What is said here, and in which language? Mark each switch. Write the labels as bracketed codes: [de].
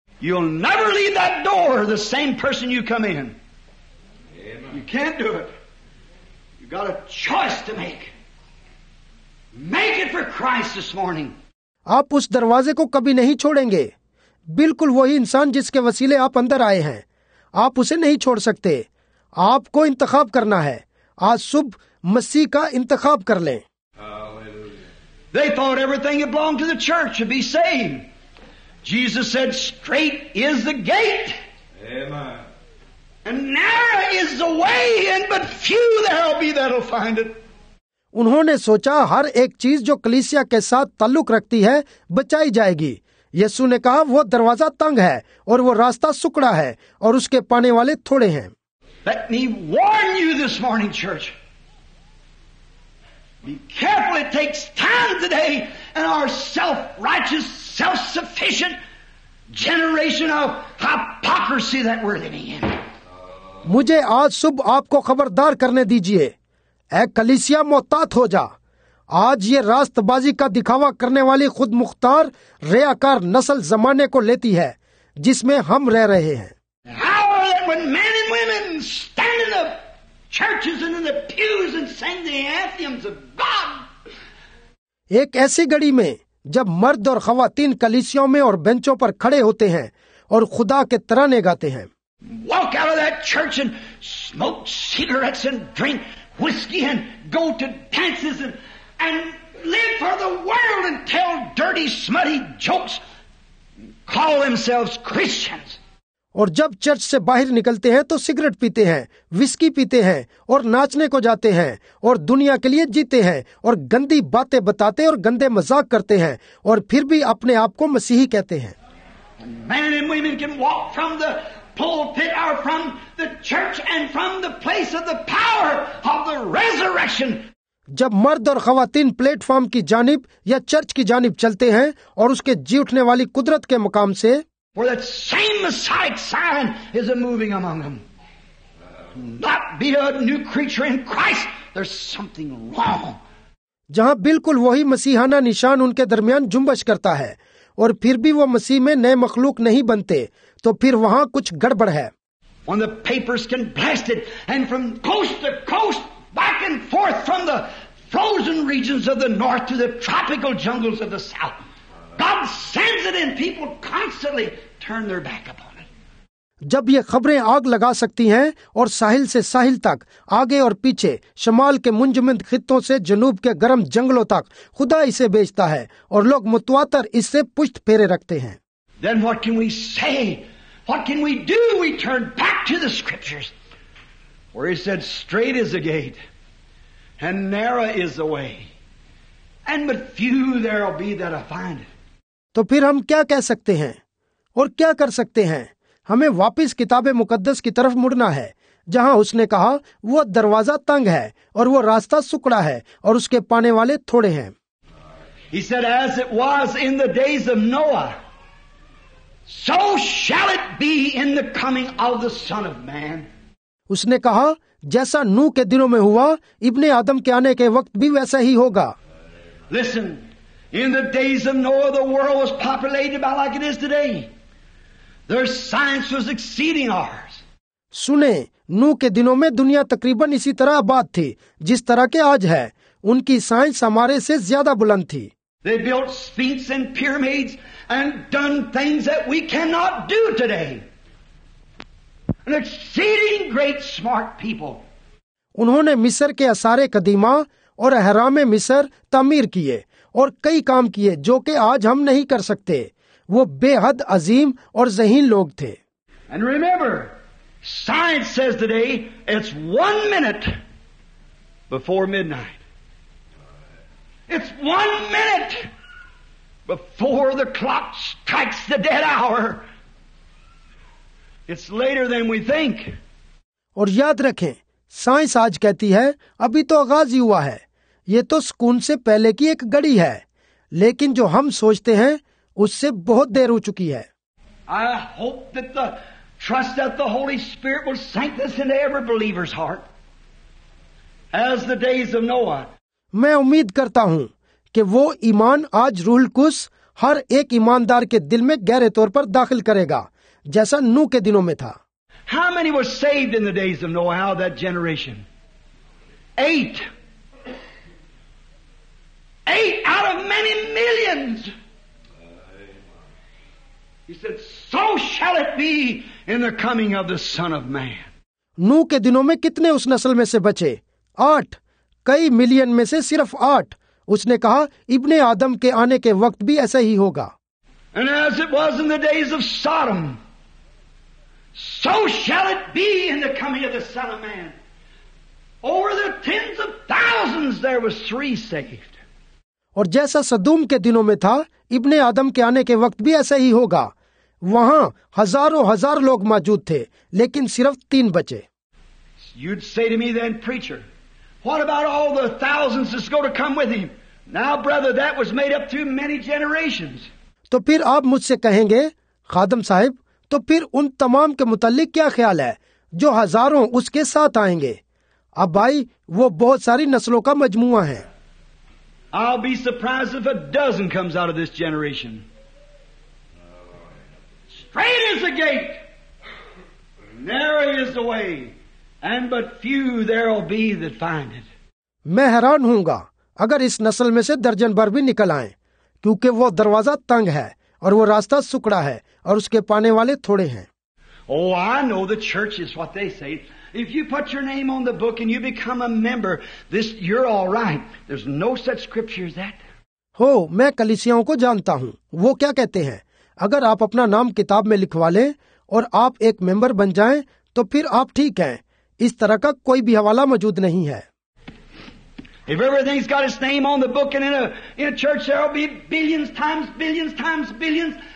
[en] You'll never leave that door the same person you come in. You can't do it. You've got a choice to make. Make it for Christ this morning. [hi] आप उस दरवाजे को कभी नहीं छोड़ेंगे बिल्कुल वही इंसान जिसके वसीले आप अंदर आए हैं आप उसे नहीं छोड़ सकते आपको इंतखाब करना है आज सुबह मसीह का इंतखाब कर लें [en] They thought everything that belonged to the church should be saved. Jesus said, "Straight is the gate." Amen. And narrow is the way in, but few there'll be that'll find it. [hi] उन्होंने सोचा हर एक चीज जो कलीसिया के साथ ताल्लुक रखती है बचाई जाएगी यीशु ने कहा वो दरवाजा तंग है और वो रास्ता सुकड़ा है और उसके पाने वाले थोड़े हैं [en] Let me warn you this morning, church. Be careful, it takes time today and our self-righteous, self-sufficient generation of hypocrisy that we're living in. [hi] मुझे आज सुबह आपको खबरदार करने दीजिए ऐ कलीसिया मोहतात हो जा आज ये रास्तबाजी का दिखावा करने वाली खुद मुख्तार रेयाकार नस्ल जमाने को लेती है जिसमें हम रह रहे हैं [en] How are when men and women stand in the churches and in the pews and sing the anthems of God? [hi] एक ऐसी घड़ी में जब मर्द और खवातीन कलीसियों में और बेंचों पर खड़े होते हैं और खुदा के तराने गाते हैं [en] Walk out of that church and smoke cigarettes and drink whiskey and go to dances and live for the world and tell dirty, smutty jokes and call themselves Christians. [hi] और जब चर्च से बाहर निकलते हैं तो सिगरेट पीते हैं whisky पीते हैं और नाचने को जाते हैं और दुनिया के लिए जीते हैं और गंदी बातें बताते और गंदे मजाक करते हैं और फिर भी अपने आप को मसीही कहते हैं [en] Men and women can walk from the pulpit or from the church and from the place of the power of the resurrection. [hi] जब मर्द और खवातीन प्लेटफॉर्म की जानिब या चर्च की जानिब चलते हैं और उसके जी उठने वाली कुदरत के मुकाम से [en] For that same Messiah sign is a moving among them. Not be a new creature in Christ. There's something wrong. [hi] जहां बिल्कुल वही मसीहाना निशान उनके दरमियान जुम्बश करता है और फिर भी वो मसीह में नए मखलूक नहीं बनते तो फिर वहां कुछ गड़बड़ है [en] When the papers can blast it and from coast to coast back and forth from the frozen regions of the north to the tropical jungles of the south. God sends it and people constantly turn their back upon it. [hi] जब ये खबरें आग लगा सकती हैं और साहिल से साहिल तक आगे और पीछे शमाल के मुंजमिंद खित्तों से जनूब के गर्म जंगलों तक खुदा इसे बेचता है और लोग मुतवातर इससे पुष्ट फेरे रखते हैं [en] Then what can we say? What can we do? We turn back to the scriptures where he said, Straight is the gate and narrow is the way. And but few there'll be that'll find it. [hi] तो फिर हम क्या कह सकते हैं और क्या कर सकते हैं हमें वापिस किताबे मुकद्दस की तरफ मुड़ना है जहां उसने कहा वो दरवाजा तंग है और वो रास्ता सुकड़ा है और उसके पाने वाले थोड़े हैं [en] He said, as it was in the days of Noah, so shall it be in the coming of the Son of Man. [hi] उसने कहा जैसा नूह के दिनों में हुआ इब्ने आदम के आने के वक्त भी वैसा ही होगा [en] Listen, in the days of Noah, the world was populated about like it is today. Their science was exceeding ours. [hi] सुने नूह के दिनों में दुनिया तकरीबन इसी तरह आबाद थी जिस तरह के आज है उनकी साइंस हमारे से ज्यादा बुलंद थी [en] They built sphinx and pyramids and done things that we cannot do today. An exceeding great smart people. [hi] उन्होंने मिस्र के असारे कदीमा और अहरामे मिस्र तमीर किए और कई काम किए जो कि आज हम नहीं कर सकते. वो बेहद अजीम और जहीन लोग थे. [en] And remember, science says today it's 1 minute before midnight. It's 1 minute before the clock strikes the dead hour. It's later than we think. [hi] और याद रखें, साइंस आज कहती है अभी तो आगाज ही हुआ है, ये तो सुकून से पहले की एक घड़ी है, लेकिन जो हम सोचते हैं उससे बहुत देर हो चुकी है. [en] I hope that the trust that the Holy Spirit will sanctify this in every believer's heart as the days of Noah. [hi] मैं उम्मीद करता हूँ कि वो ईमान आज रूहुल कुस हर एक ईमानदार के दिल में गहरे तौर पर दाखिल करेगा जैसा नूह के दिनों में था. [en] How many were saved in the days of Noah, how that generation? Eight. Eight out of many millions. He said, so shall it be in the coming of the Son of Man. [hi] नूह के दिनों में कितने उस नस्ल में से बचे? आठ. कई मिलियन में से सिर्फ आठ. उसने कहा इब्ने आदम के आने के वक्त भी ऐसा ही होगा. [en] And as it was in the days of Sodom, so shall it be in the coming of the Son of Man. Over the tens of thousands there were three saved. [hi] और जैसा सदूम के दिनों में था, इब्ने आदम के आने के वक्त भी ऐसा ही होगा. वहां हजारों हजार लोग मौजूद थे, लेकिन सिर्फ तीन बचे. [en] You'd say to me then, preacher, what about all the thousands that's going to come with him? Now, brother, that was made up through many generations. [hi] तो फिर आप मुझसे कहेंगे, खादम साहब, तो फिर उन तमाम के मुतालिक क्या ख्याल है जो हजारों उसके साथ आएंगे? अब भाई, वो बहुत सारी नस्लों का मजमुआ है. [en] I'll be surprised if a dozen comes out of this generation. Straight is the gate, narrow is the way, and but few there'll be that find it. [hi] मैं हैरान होऊंगा अगर इस नस्ल में से दर्जन भर भी निकल आए, क्योंकि वो दरवाजा तंग है और वो रास्ता सुकड़ा है और उसके पाने वाले थोड़े हैं. [en] Oh, I know the church is what they say. If you put your name on the book and you become a member, this you're all right. There's no such scripture as that. [hi] हो, मैं कलीसियाओं को जानता हूँ. वो क्या कहते हैं? अगर आप अपना नाम किताब में लिखवा लें और आप एक मेंबर बन जाएं, तो फिर आप ठीक हैं. इस तरह का कोई भी हवाला मौजूद नहीं है. [en] If everything's got its name on the book and in a church, there'll be billions times billions times billions.